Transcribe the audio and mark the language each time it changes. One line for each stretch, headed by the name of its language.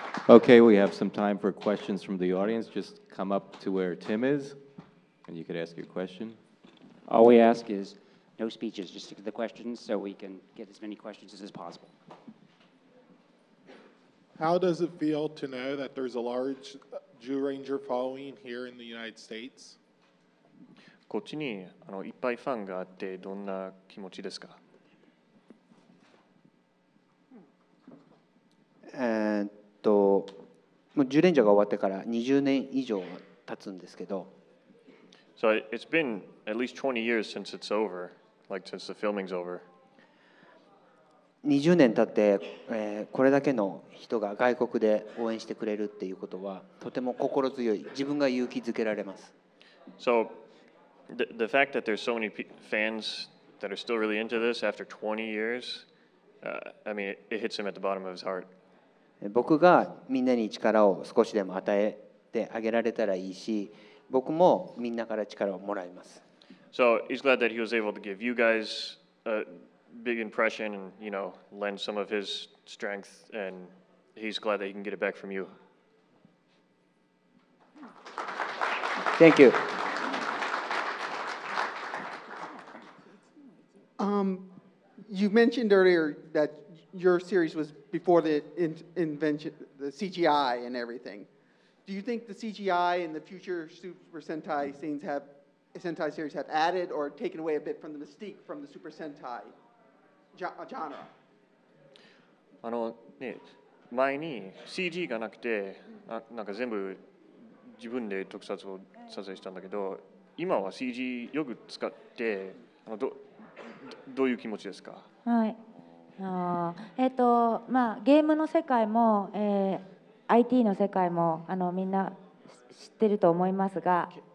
English: Okay, we have some time for questions from the audience. Just come up to where Tim is, and you could ask your question. All we ask is no speeches, just stick to the questions so we can get as many questions as is possible. How does it feel to know that there's a large Zyuranger following here in the United States?
Japanese: こっちにいっぱいファンがあってどんな気持ちですか?
English: And...
Japanese: もうジュレンジャーが終わってから20年以上経つんですけど。
English: So it's been at least 20 years since it's over, like since the filming's over.
Japanese: 20年経って、これだけの人が外国で応援してくれるっていうことはとても心強い。自分が勇気づけられます。
English: So, the fact that there's so many fans that are still really into this after 20 years, I mean, it hits him at the bottom of his heart.
Japanese: 僕がみんなに力を少しでも与えてあげられたらいいし、僕もみんなから力をもらいます。
English: So, he's glad that he was able to give you guys a big impression and, you know, lend some of his strength, and he's glad that he can get it back from you. Thank you. You mentioned earlier that your series was before the invention, the CGI and everything. Do you think the CGI and the future Super Sentai scenes have Sentai series have added or taken away a bit from the mystique from the Super Sentai genre?
Japanese: あのね、前に CG がなくて、なんか全部自分で特撮を撮影したんだけど、今は CG よく使って、あのどういう気持ちですか？はい。まあ、ゲームの世界も、IT の世界もあのみんな知ってると思いますが、